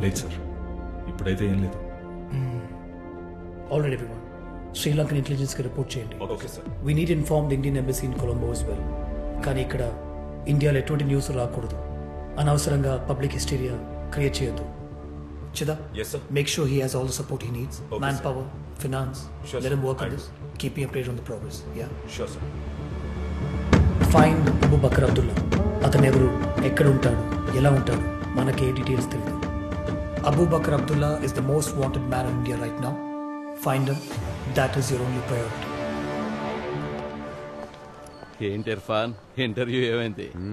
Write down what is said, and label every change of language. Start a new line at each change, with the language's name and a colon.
Telugu: లేదు సార్? ఇప్పుడైతే ఏం లేదు. ఆల్రెడీ ఎవరీవన్ శ్రీలంకన్ ఇంటెలిజెన్స్కి రిపోర్ట్ చేయండి. Okay sir.
English: We need inform the Indian embassy in Colombo as well.
Telugu: కానీ ఇక్కడ ఇండియాలో ఎటువంటి న్యూస్ రాకూడదు. అనవసరంగా పబ్లిక్ హిస్టీరియా క్రియేట్ చేయొద్దు. చిదా,
English: yes sir, make sure he has all the support he needs. Okay, man power, finance, sure, let him work on this. Keep him updated on the progress. Yeah, sure sir. Find Abu Bakr Abdullah.
Telugu: అతను ఎవరు, ఎక్కడ ఉంటాడు, ఎలా ఉంటాడు, మనకి ఏ details తెలియదు.
English: Abu Bakra Abdullah is the most wanted man in India right now. Find him, that is your only priority.
Telugu: ఏంటి Irfan, interview ఏమైంది?